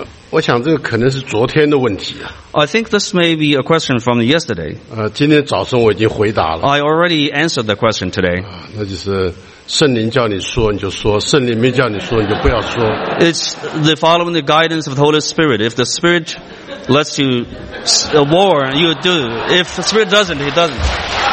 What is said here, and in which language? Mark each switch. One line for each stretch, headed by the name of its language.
Chinese: 我想这个可能是昨天的问题啊。
English: I think this may be a question from yesterday.
Chinese: 今天早上我已经回答了。
English: I already answered the question today.
Chinese: 那就是圣灵叫你说你就说，圣灵没叫你说你就不要说。
English: It's the following the guidance of the Holy Spirit. If the Spirit lets you warn, you do. If the Spirit doesn't, he doesn't.